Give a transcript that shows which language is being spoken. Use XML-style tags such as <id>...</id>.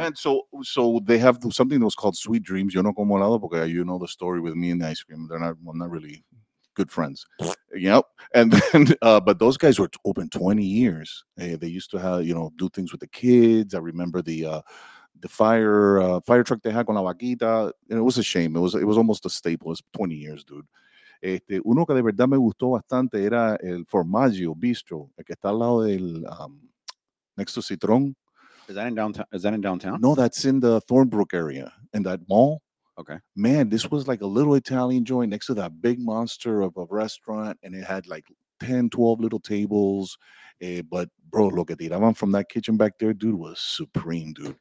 <en>And so they have something that was called Sweet Dreams.</en> <es>Yo no como helado porque</es> <en>you know the story with me and the ice cream. I'm not really good friends. Yep. And then, but those guys were open 20 years. They used to have, you know, do things with the kids. I remember the fire truck they had</en> <es>con la vaquita,</es> <en>and it was a shame. It was almost a staple. It's 20 years, dude.</en> <es>Uno que de verdad me gustó bastante era el Formaggio Bistro, el que está al lado del</es> <en>next to</en> <es>Citron.</es> <en>Is that in downtown? No, that's in the Thornbrook area, in that mall. Okay. Man, this was like a little Italian joint next to that big monster of a restaurant, and it had like 10, 12 little tables. But bro,</en> <es>lo que tiraban</es> <en>from that kitchen back there, dude, was supreme, dude.</en>